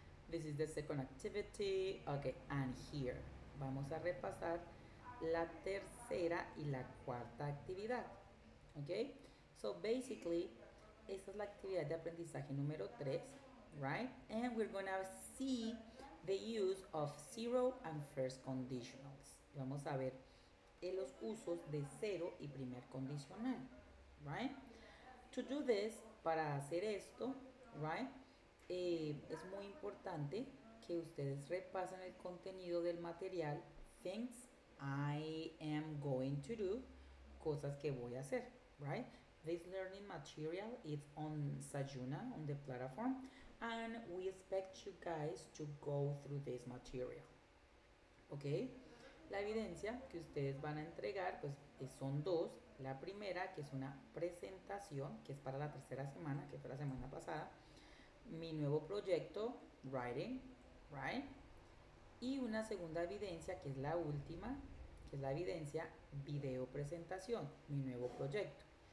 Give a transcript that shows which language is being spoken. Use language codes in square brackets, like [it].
[en] This is the second activity. Okay, and here [es] vamos a repasar la tercera y la cuarta actividad. [en] Okay, so basically, [es] esta es la actividad de aprendizaje número 3, right? [en] And we're gonna see the use of zero and first conditionals. [es] Vamos a ver los usos de cero y primer condicional, right? [en] To do this, [es] para hacer esto, right? Es muy importante que ustedes repasen el contenido del material [en] things I am going to do, [es] cosas que voy a hacer, right? [en] This learning material is on Sayuna, on the platform, and we expect you guys to go through this material, ¿ok? [es] La evidencia que ustedes van a entregar, pues, son dos. La primera, que es una presentación, que es para la tercera semana, que fue la semana pasada. Mi nuevo proyecto, writing, right? Y una segunda evidencia, que es la última, que es la evidencia video presentación, mi nuevo proyecto.